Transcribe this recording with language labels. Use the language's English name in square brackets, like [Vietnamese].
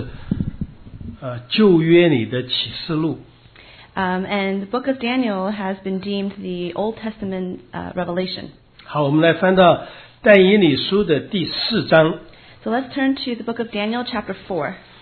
[Chinese] 但以理书被称为是旧约里的启示录。 [English] And the book of Daniel has been deemed the Old Testament revelation. [Chinese] 好, 我们来翻到但以理书的第四章。 [English] So let's turn to the book of Daniel, chapter 4.